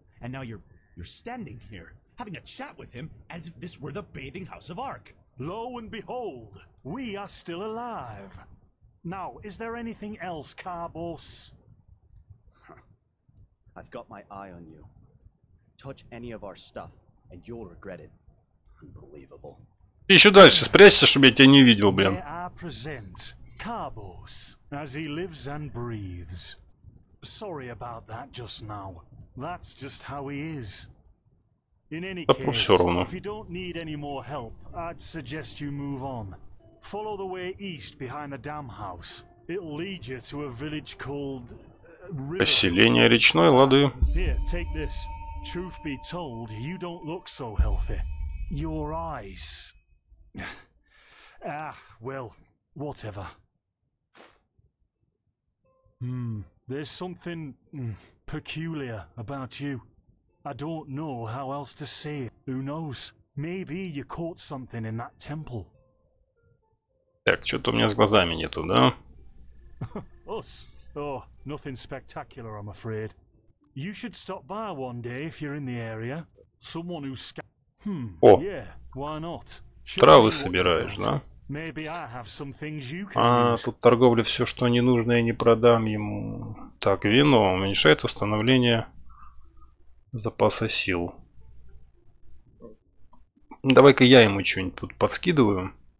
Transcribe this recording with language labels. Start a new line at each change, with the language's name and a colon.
English: And now you're standing here, having a chat with him as if this were the bathing house of Ark. Lo and behold, we are still alive. Now, is there anything else, Carbos? I've got my eye on you. Touch any of our stuff, and you'll regret it. Unbelievable.
Russian: Ты еще дальше спрячься, чтобы я тебя не видел, блин.
English: I present Carbos, as he lives and breathes. Sorry about that just now. That's just how he is. In any case, if you don't need any more help, I'd suggest you move on. Follow the way east behind the dam house. It'll lead you to a village called...
Russian: Поселение речной, лады.
English: Here, take this. Truth be told, you don't look so healthy. Your eyes... Ah, well, whatever. There's something peculiar about you. I don't know how else to say it. Who knows? Maybe you caught something in that temple.
Russian: Так, что-то у меня с глазами нету, да?
English: Us? Oh, nothing spectacular, I'm afraid. You should stop by one day if you're in the area. Someone who's yeah, why not?
Russian: Травы собираешь, да?
English: Maybe I have some things you can use.
Russian: А, тут торговля, все, что не нужно, я не продам ему. Так, вино уменьшает восстановление запаса сил. Давай-ка я ему что-нибудь тут подскидываю.